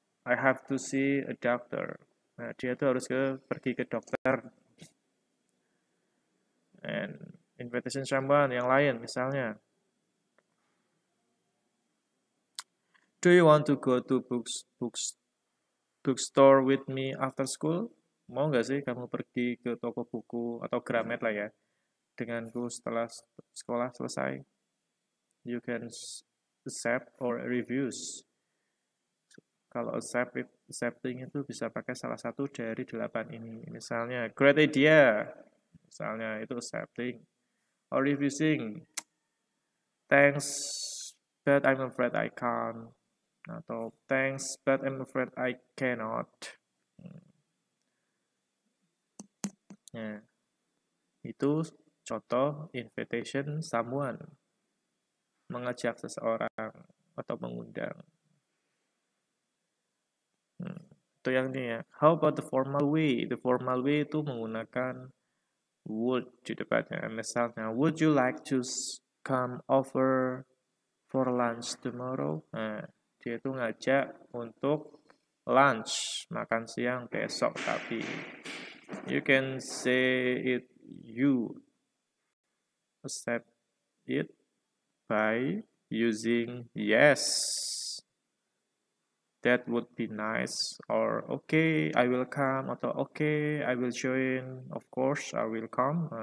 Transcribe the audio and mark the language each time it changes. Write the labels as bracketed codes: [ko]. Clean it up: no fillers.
[en] I have to see a doctor. [id] Nah, dia tuh harus pergi ke dokter. And invitation someone yang lain, misalnya. [en] Do you want to go to bookstore with me after school? [id] Mau nggak sih kamu pergi ke toko buku atau Gramet lah ya, denganku setelah sekolah selesai? [en] You can accept or refuse. [id] Kalau accepting itu bisa pakai salah satu dari 8 ini. Misalnya, [en] great idea. [id] Misalnya, itu accepting. [en] Or refusing. Thanks, but I'm afraid I can't. Atau, thanks, but I'm afraid I cannot. [id] Nah, itu contoh invitation someone. Mengajak seseorang atau mengundang. Itu yang ini ya. [en] How about the formal way? The formal way [id] itu menggunakan would di depannya. [en] Misalnya, would you like to come over for lunch tomorrow? [id] Nah, dia itu ngajak untuk lunch, makan siang besok. [en] Tapi you can say it, you accept it by using yes. That would be nice, or okay, I will come, atau okay, I will join, of course, I will come.